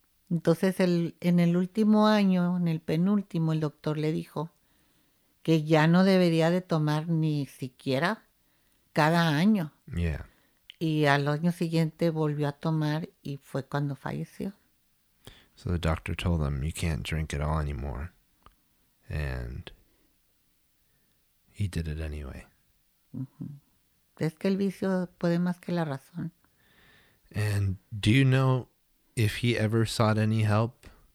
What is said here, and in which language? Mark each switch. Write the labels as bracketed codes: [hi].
[es] Entonces, en el último año, en el penúltimo, el doctor le dijo que ya no debería de tomar ni siquiera cada año. [en] Yeah. [es] Y al año siguiente volvió a tomar y fue cuando falleció. [en] So the doctor told him, you can't drink at all anymore. And he did it anyway. Mm-hmm. [es] Es que el vicio puede más que la razón. [en] And do you know if he ever sought any help?